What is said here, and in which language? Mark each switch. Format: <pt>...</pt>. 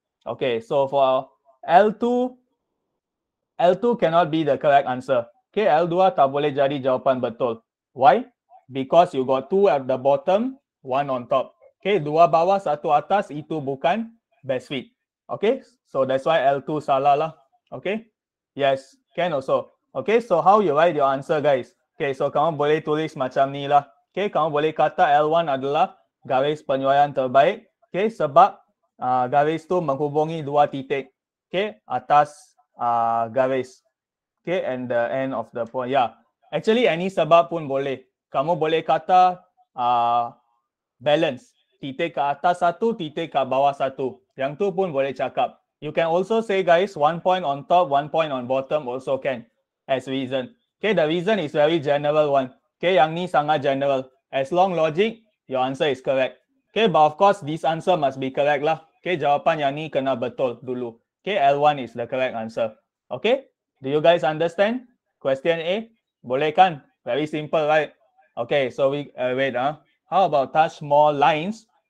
<en>Okay, so for L2 cannot be the correct answer.</en> <ms>Okay, L2 tak boleh jadi jawapan betul.</ms> <en>Why? Because you got 2 at the bottom, 1 on top. Okay,</en> <ms>2 bawah, 1 atas, itu bukan best fit.</ms> <en>Okay, so that's why L2</en> <ms>salah lah.</ms> <en>Okay, yes, can also. Okay, so how you write your answer, guys?</en> <ms>Okay, so kamu boleh tulis macam ni lah. Okay, kamu boleh kata L1 adalah garis penyuaian terbaik. Okay, sebab garis tu menghubungi 2 titik.</ms> <en>Okay,</en> <ms>atas garis.</ms> <en>Okay, and the end of the point. Yeah, actually any</en> <ms>sebab pun boleh. Kamu boleh kata balance. Titik ke atas satu, titik ke bawah satu. Yang tu pun boleh cakap.</ms> <en>You can also say, guys, 1 point on top, 1 point on bottom also can as reason. Okay, the reason is very general one.</en> <ms>Okay, yang ni sangat general.</ms> <en>As long logic, your answer is correct. Okay, but of course, this answer must be correct lah. Okay,</en> <ms>jawapan yang ni kena betul dulu.</ms> <en>Okay, L1 is the correct answer. Okay, do you guys understand? Question A?</en> <ms>Boleh kan?</ms> <en>Very simple, right? Okay, so we wait. How about touch more lines?</en>